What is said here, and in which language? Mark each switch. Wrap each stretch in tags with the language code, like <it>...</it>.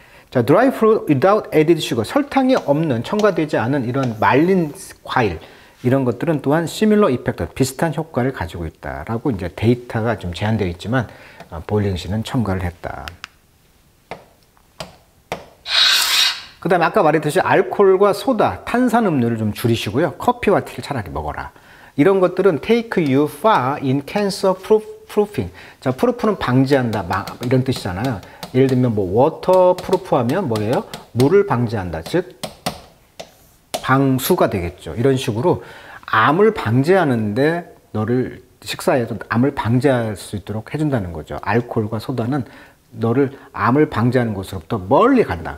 <ko>자,</ko> <en>dry fruit without added sugar,</en> <ko>설탕이 없는, 첨가되지 않은 이런 말린 과일, 이런 것들은 또한</ko> <en>similar effect,</en> <ko>비슷한 효과를 가지고 있다라고 이제 데이터가 좀 제한되어 있지만, 볼링 씨는 첨가를 했다. 그 다음에 아까 말했듯이 알코올과 소다, 탄산 음료를 좀 줄이시고요. 커피와 티를 차라리 먹어라. 이런 것들은</ko> <en>take you far in cancer proofing.</en> <ko>자, proof는 방지한다, 이런 뜻이잖아요. 예를 들면 뭐 워터 프루프하면 뭐예요? 물을 방지한다. 즉 방수가 되겠죠. 이런 식으로 암을 방지하는데 너를 식사해서 암을 방지할 수 있도록 해준다는 거죠. 알코올과 소다는 너를 암을 방지하는 곳으로부터 멀리 간다.</ko>